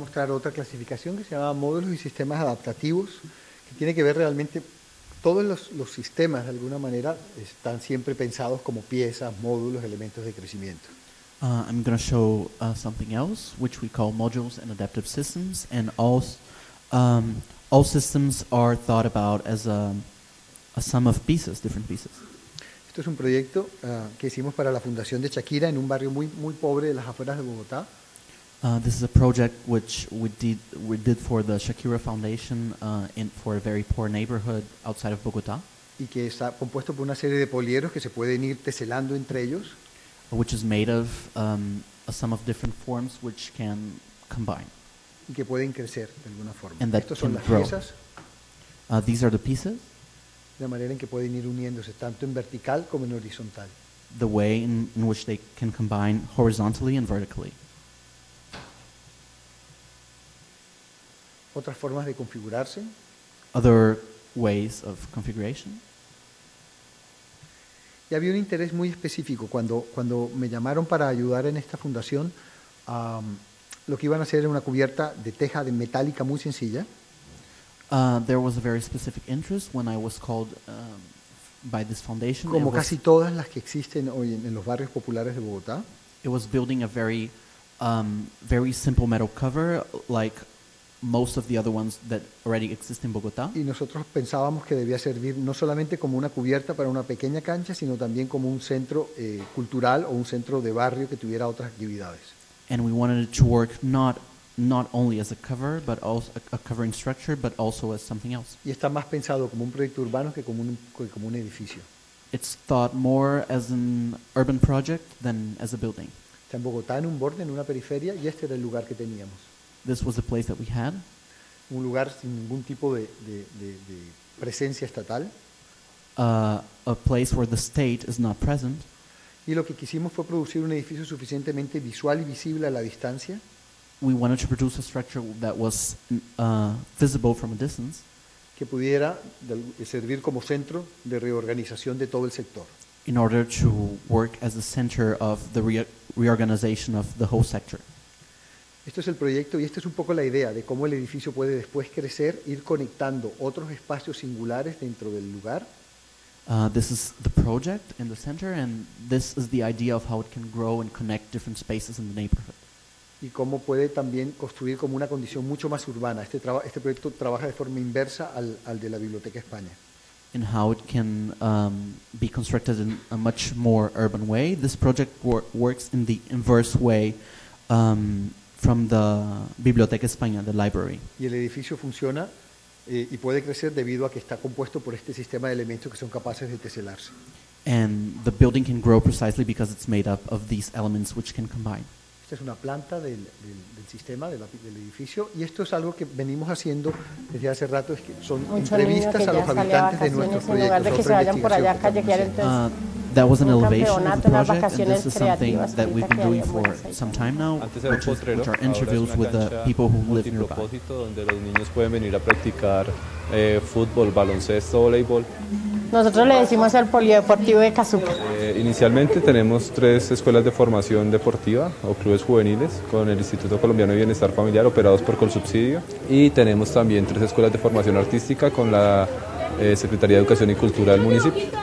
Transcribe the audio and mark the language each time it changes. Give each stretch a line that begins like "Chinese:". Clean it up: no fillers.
Spanish: Otra clasificación que se llama módulos y sistemas adaptativos, que tiene que ver realmente todos los sistemas de alguna manera están siempre pensados como piezas, módulos, elementos de crecimiento.
English: I'm going to show something else which we call modules and adaptive systems, and all systems are thought about as a sum of pieces, different pieces.
Spanish: Esto es un proyecto que hicimos para la Fundación de Shakira en un barrio muy muy pobre de las afueras de Bogotá.
English: This is a project which we did for the Shakira Foundation for a very poor neighborhood outside of Bogotá.
Spanish: Y que está compuesto por una serie de polieros que se pueden ir teselando entre ellos.
English: Which is made of a sum of different forms which can combine.
Spanish: Y que pueden crecer de alguna forma.
English: And that
Spanish: estos son
English: can
Spanish: las
English: grow.
Spanish: Piezas.
English: These are the pieces.
Spanish: La manera en que pueden ir uniéndose tanto en vertical como en horizontal.
English: The way in which they can combine horizontally and vertically.
Spanish: Otras formas de configurarse.
English: Other ways of configuration.
Spanish: Y había un interés muy específico. Cuando me llamaron para ayudar en esta fundación, lo que iban a hacer era una cubierta de teja de metálica muy sencilla.
English: There was a very specific interest when I was called by this foundation.
Spanish: Como casi todas las que existen hoy en los barrios populares de Bogotá.
English: It was building a very, very simple metal cover, like most of the other ones that already exist in Bogotá.
Spanish: Y nosotros pensábamos que debía servir no solamente como una cubierta para una pequeña cancha, sino también como un centro cultural o un centro de barrio que tuviera otras actividades.
English: And we wanted it to work not only as a cover, but also a covering structure, but also as something else.
Spanish: Y está más pensado como un proyecto urbano que como un edificio.
English: It's thought more as an urban project than as a building.
Spanish: Está en Bogotá, en un borde, en una periferia, y este era el lugar que teníamos.
English: This was the place that we had.
Spanish: Un lugar sin ningún tipo de presencia estatal.
English: A place where the state is not present.
Spanish: Y lo que quisimos fue producir un edificio suficientemente visual y visible a la distancia.
English: We wanted to produce a structure that was visible from a distance.
Spanish: Que pudiera servir como centro de reorganización de todo el sector.
English: In order to work as a center of the reorganization of the whole sector.
Spanish: Este es el proyecto y esta es un poco la idea de cómo el edificio puede después crecer, ir conectando otros espacios singulares dentro del lugar.
English: This is the project in the center, and this is the idea of how it can grow and connect different spaces in the neighborhood.
Spanish: Y cómo puede también construir como una condición mucho más urbana. Este proyecto trabaja de forma inversa al de la Biblioteca España.
English: And how it can be constructed in a much more urban way. This project works in the inverse way from the Biblioteca España, the library.
Spanish: Y el edificio funciona y puede crecer debido a que está compuesto por este sistema de elementos que son capaces de teselarse.
English: And the building can grow precisely because it's made up of these elements which can combine.
Spanish: Esta es una planta del sistema, del edificio, y esto es algo que venimos haciendo desde hace rato, es que son mucho entrevistas que a los habitantes de nuestros proyectos. De que se vayan por allá a callejear,
English: that was an elevation of the project, and this is something that we've been doing for some time now, which are interviews with the people who live nearby.
Spanish: Propósito donde los niños pueden venir a practicar fútbol, baloncesto, voleibol. Nosotros le decimos el polideportivo de Cazuca. Inicialmente tenemos tres escuelas de formación deportiva o clubes juveniles con el Instituto Colombiano de Bienestar Familiar operados por Colsubsidio, y tenemos también tres escuelas de formación artística con la Secretaría de Educación y Cultura del municipio.